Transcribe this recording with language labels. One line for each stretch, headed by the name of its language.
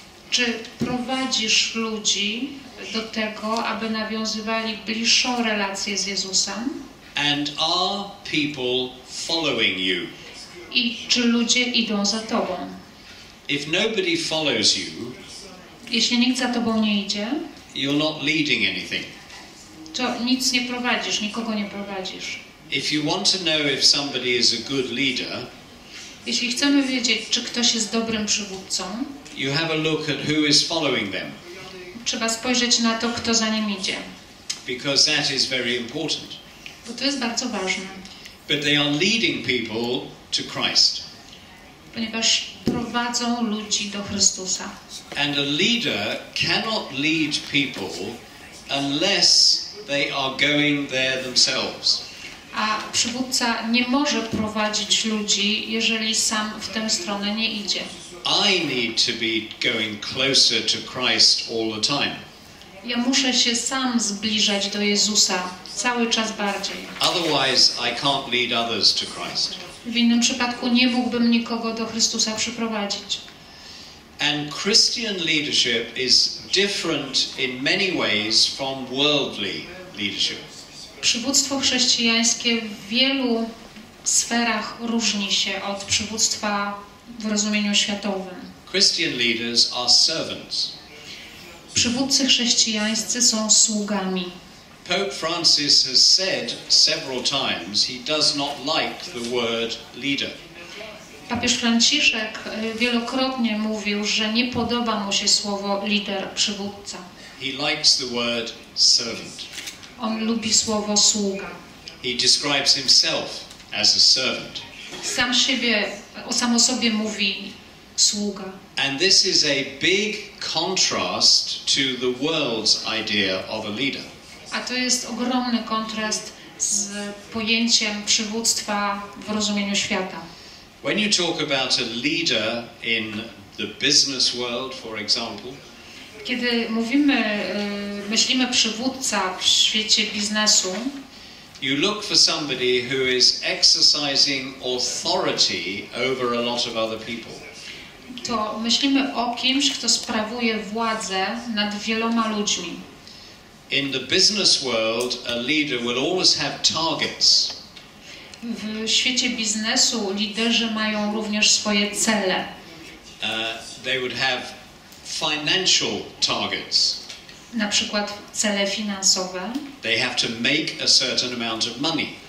Polish: Czy prowadzisz ludzi do tego, aby nawiązywali bliższą relację z Jezusem?
English: And are people following you?
Polish: I czy ludzie idą za tobą?
English: If nobody follows you,
Polish: jeśli nikt za tobą nie idzie,
English: you're not leading anything.
Polish: To nic nie prowadzisz, nikogo nie prowadzisz.
English: If you want to know if somebody is a good leader,
Polish: jeśli chcemy wiedzieć, czy ktoś jest dobrym przywódcą,
English: you have a look at who is following them.
Polish: Trzeba spojrzeć na to, kto za nim idzie.
English: Because that is very important.
Polish: Bo to jest bardzo ważne.
English: But they are leading people to Christ.
Polish: Ponieważ prowadzą ludzi do Chrystusa.
English: And a leader cannot lead people unless they are going there themselves.
Polish: A przywódca nie może prowadzić ludzi, jeżeli sam w tę stronę nie idzie.
English: I need to be going closer to Christ all the time.
Polish: Ja muszę się sam zbliżać do Jezusa cały czas bardziej.
English: Otherwise I can't lead others to Christ.
Polish: W innym przypadku nie mógłbym nikogo do Chrystusa przyprowadzić.
English: And Christian leadership is different in many ways from worldly leadership.
Polish: Przywództwo chrześcijańskie w wielu sferach różni się od przywództwa w rozumieniu światowym.
English: Christian leaders are servants.
Polish: Przywódcy chrześcijańscy są sługami.
English: Pope Francis has said several times he does not like the word leader.
Polish: Papież Franciszek wielokrotnie mówił, że nie podoba mu się słowo lider, przywódca.
English: He likes the word servant.
Polish: On lubi słowo sługa.
English: He describes himself as a servant.
Polish: Sam siebie, sam o sobie mówi sługa.
English: And this is a big contrast to the world's idea of a leader.
Polish: A to jest ogromny kontrast z pojęciem przywództwa w rozumieniu świata.
English: When you talk about a leader in the business world, for example,
Polish: kiedy mówimy, myślimy przywódca w świecie biznesu,
English: you look for somebody who is exercising authority over a lot of other people.
Polish: To myślimy o kimś, kto sprawuje władzę nad wieloma ludźmi.
English: In the business world, a leader will always have targets.
Polish: W świecie biznesu liderzy mają również swoje cele.
English: They would have financial targets.
Polish: Na przykład cele finansowe.
English: They have to make a certain amount of money.